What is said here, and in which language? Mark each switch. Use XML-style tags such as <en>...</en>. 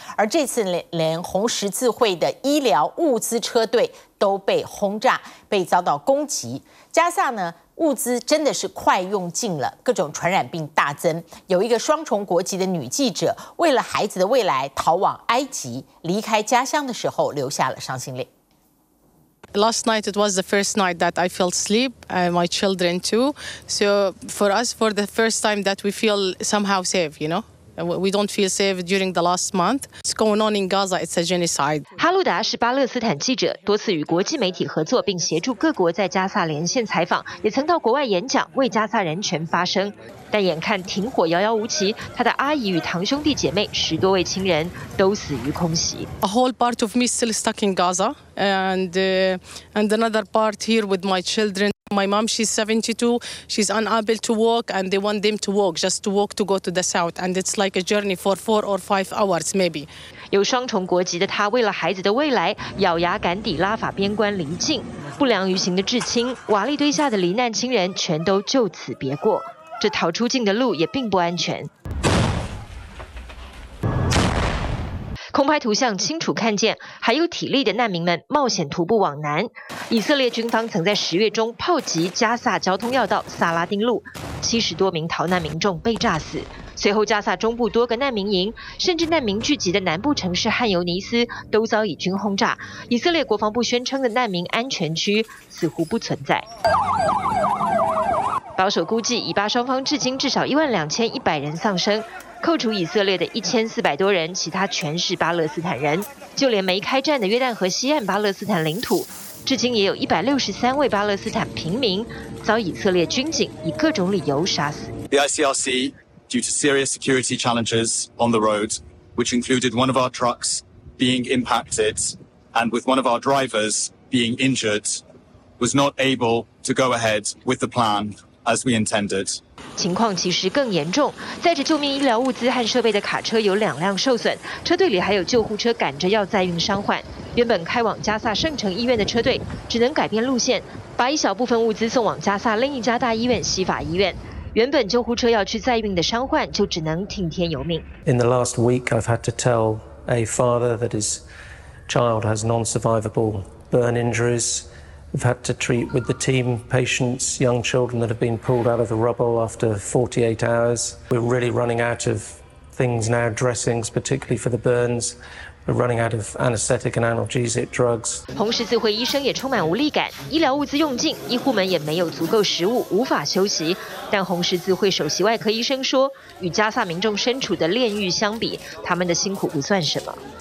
<zh>而这次连红十字会的医疗物资车队都被轰炸，被遭到攻击。加萨呢？物资真的是快用尽了，各种传染病大增。有一个双重国籍的女记者，为了孩子的未来逃往埃及，离开家乡的时候留下了伤心泪。</zh> <en>Last night it was the first night that I felt sleep, my children too. So for us, for the first time that we feel somehow safe, you know. We don't feel safe during the last month. What's going on in Gaza? It's a genocide.</en> <zh>哈鲁达是巴勒斯坦记者，多次与国际媒体合作，并协助各国在加萨连线采访，也曾到国外演讲，为加萨人权发声。但眼看停火遥遥无期，他的阿姨与堂兄弟姐妹、十多位亲人都死于空袭。</zh> <en>A whole part of me still stuck in Gaza, and another part here with my children. My mom, she's 72. She's unable to walk, and they want them to walk, just to walk to go to the south. And it's like a journey for 4 or 5 hours, maybe.</en> <zh>有双重国籍的她，为了孩子的未来，咬牙赶抵拉法边关临近。不良于行的至亲、瓦砾堆下的罹难亲人，全都就此别过。这逃出境的路也并不安全。空拍图像清楚看见，还有体力的难民们冒险徒步往南。以色列军方曾在10月中炮击加萨交通要道萨拉丁路，70多名逃难民众被炸死。随后，加萨中部多个难民营，甚至难民聚集的南部城市汉尤尼斯都遭以军轰炸。以色列国防部宣称的难民安全区似乎不存在。保守估计，以巴双方至今至少12100人丧生。扣除以色列的1400多人，其他全是巴勒斯坦人。就连没开战的约旦河西岸巴勒斯坦领土，至今也有163位巴勒斯坦平民遭以色列军警以各种理由杀死。</zh> <en>The ICRC, due to serious security challenges on the road, which included one of our trucks being impacted and with one of our drivers being injured, was not able to go ahead with the plan as we intended.</en> <zh>情况其实更严重，载着救命医疗物资和设备的卡车有2辆受损，车队里还有救护车赶着要载运伤患。原本开往加萨圣城医院的车队只能改变路线，把一小部分物资送往加萨另一家大医院西法医院。原本救护车要去载运的伤患就只能听天由命。</zh> <en>In the last week, I've had to tell a father that his child has non-survivable burn injuries. We've had to treat with the team patients, young children that have been pulled out of the rubble after 48 hours. We're really running out of things now, dressings, particularly for the burns. We're running out of anesthetic and analgesic drugs.</en> <zh>红十字会医生也充满无力感，医疗物资用尽，医护们也没有足够食物，无法休息。但红十字会首席外科医生说，与加萨民众身处的炼狱相比，他们的辛苦不算什么。</zh>